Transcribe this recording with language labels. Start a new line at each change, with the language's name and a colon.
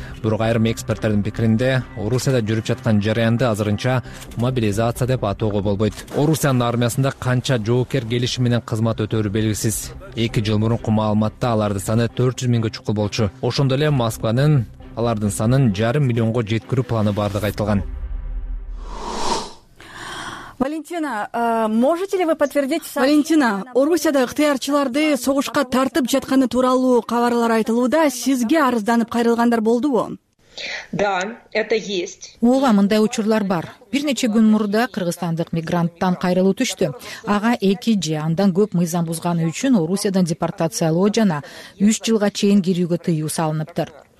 Kyrgyz: Бирок айрым эксперттердин пикиринде Орусияда жүрүп жаткан жарыянды азырынча мобилизация деп атоого болбойт. Орусиянын армиясында канча жоокер келишим менен кызмат өтөөрү белгисиз. 2 жыл мурунку маалыматта алардын саны 400 000 чукул болчу. Ошондой эле Москванын алардын санын 500 000 жеткирүү планы бардыгы айтылган.
Russian: Валентина, можете ли вы подтвердить сообщение?
Kyrgyz: Валентина, Орусияда ыктыярчыларды согушка тартып жатканы тууралуу кабарлар айтылууда, сизге арызданып кайрылгандар болдубу?
Russian: Да, это есть.
Kyrgyz: Ооба, мындай учурлар бар. Бир нече күн мурда кыргызстандык мигранттан кайрылуу түштү. Ага 2 же андан көп мыйзам бузганы үчүн Орусиядан депортациялоо жана 3 жылга чейин кирүүгө тыюу салыныптыр.